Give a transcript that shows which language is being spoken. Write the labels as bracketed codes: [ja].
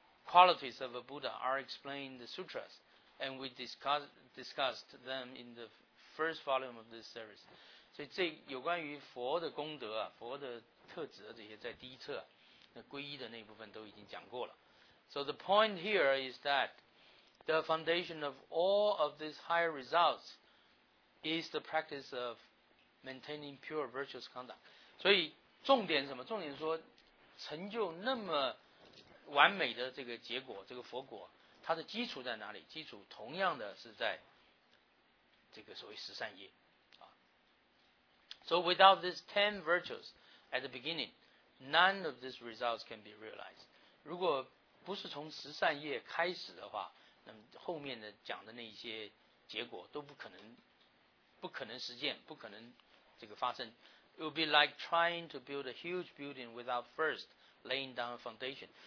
[en] qualities of a Buddha are explained in the sutras, and we discussed them in the first volume of this series. [zh] 所以这有关于佛的功德啊，佛的特质这些，在第一册那皈依的那部分都已经讲过了。 [en] So the point here is that the foundation of all of these higher results is the practice of maintaining pure virtuous conduct. [zh] 所以重点什么？重点说成就那么完美的这个结果，这个佛果，它的基础在哪里？基础同样的是在这个所谓十善业。 [en] So without these 10 virtues at the beginning, none of these results can be realized. [zh] 如果不是从十善业开始的话，那么后面的讲的那些结果都不可能实践，不可能这个发生。 [en] It would be like trying to build a huge building without first laying down a foundation.